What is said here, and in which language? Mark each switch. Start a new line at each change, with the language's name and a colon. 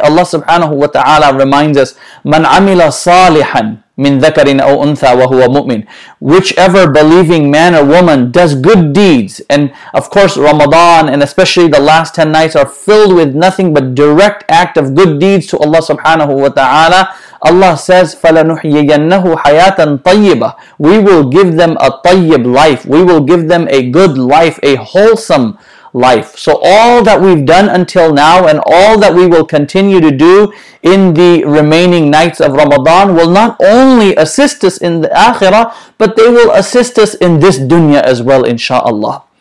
Arabic: Allah subhanahu wa ta'ala
English: reminds us,
Arabic: "Man amila salihan min dhakarin aw untha wa huwa mu'min."
English: Whichever believing man or woman does good deeds. And of course, Ramadan, and especially the last 10 nights, are filled with nothing but direct act of good deeds to Allah subhanahu wa ta'ala.
Arabic: Allah says, فَلَنُحْيِيَنَّهُ حَيَاةً طَيِّبًا.
English: We will give them a tayyib life. We will give them a good life, a wholesome life. So all that we've done until now, and all that we will continue to do in the remaining nights of Ramadan, will not only assist us in the akhirah, but they will assist us in this dunya as well, inshallah.